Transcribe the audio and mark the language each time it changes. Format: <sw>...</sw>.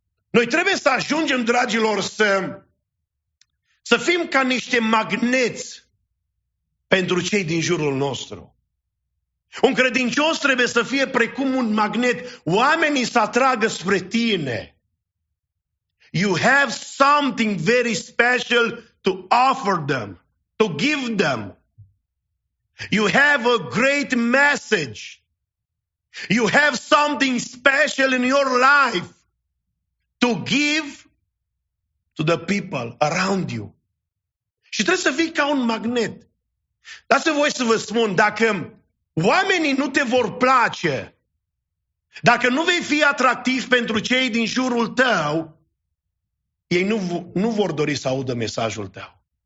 <ro>Noi trebuie să ajungem, dragilor, să fim ca niște magneți pentru cei din jurul nostru. Un credincios trebuie să fie precum un magnet. Oamenii să atragă spre tine.</ro> <en>You have something very special to offer them, to give them. You have a great message. You have something special in your life to give to the people around you.</en> <ro>Și trebuie să fii ca un magnet. Lasă voi să vă spun, dacă oamenii nu te vor place, dacă nu vei fi atractiv pentru cei din jurul tău, ei nu vor dori să audă mesajul tău.</ro>